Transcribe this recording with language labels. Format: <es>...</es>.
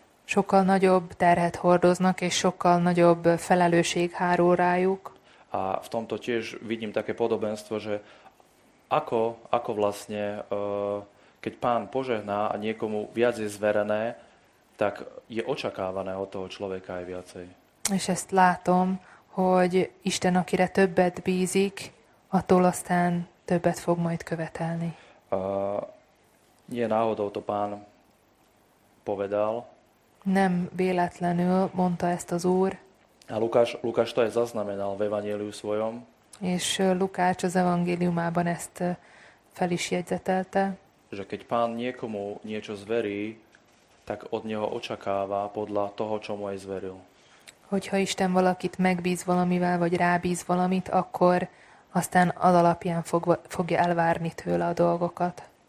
<hu>Sokkal nagyobb terhet hordoznak és sokkal nagyobb felelősség hárul rájuk.</hu> <sk>A v tomto tiež vidím také podobenstvo, že ako vlastne, keď Pán požehná a niekomu viac je zverené, tak je očakávané od toho človeka aj viacej.</sk> <hu>És ezt látom, hogy Isten, akire többet bízik, attól aztán többet fog majd követelni.</hu> <sk>Nie náhodou to Pán povedal.</sk> <hu>Nem véletlenül mondta ezt az Úr.</hu> <sk>A Lukáš to aj zaznamenal v evanjeliu svojom.</sk> <hu>És Lukács az evangéliumában ezt fel is jegyzetelte.</hu> <sk>Že keď pán niekomu niečo zverí, tak od neho očakáva podľa toho, čo mu aj zveril.</sk> <hu>Hogyha Isten valakit megbíz valamivel, vagy rábíz valamit, akkor aztán az alapján fogja elvárni tőle a dolgokat.</hu>